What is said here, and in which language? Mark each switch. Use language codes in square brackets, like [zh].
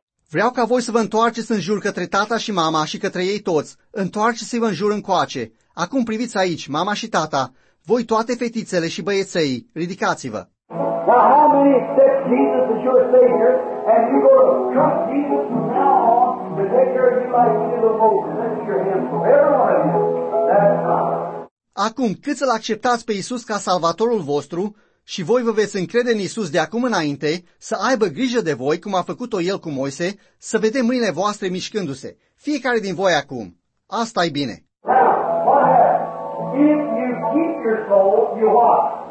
[ro] Vreau ca voi să vă întoarceți în jur către tata și mama și către ei toți. Întoarceți-vă în jur încoace. Acum priviți aici, mama și tata, voi toate fetițele și băieței, ridicați-vă. [en] Now how many accept Jesus as your Savior and you go trust Jesus from now on to take care of you like you did the most? Let's hear him from everyone of you. That's fine. [ro] Acum, cât să-L acceptați pe Iisus ca salvatorul vostru și voi vă veți încrede în Iisus de acum înainte să aibă grijă de voi, cum a făcut-o El cu Moise, să vedem mâinile voastre mișcându-se, fiecare din voi acum. Asta e bine. [en] Now, what happens? If you keep your soul, you what?